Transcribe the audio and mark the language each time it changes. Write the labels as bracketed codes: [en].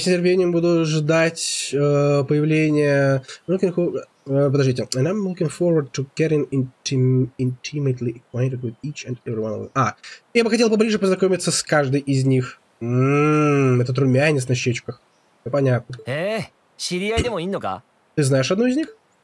[ru] с нетерпением буду ждать появления... Подождите. [en] And I'm looking forward to getting intimately acquainted with each and every one of them. [ru] Я бы хотел поближе познакомиться с каждой из них. Этот румянец на щечках. Ну, понятно. Ты знаешь одну из них?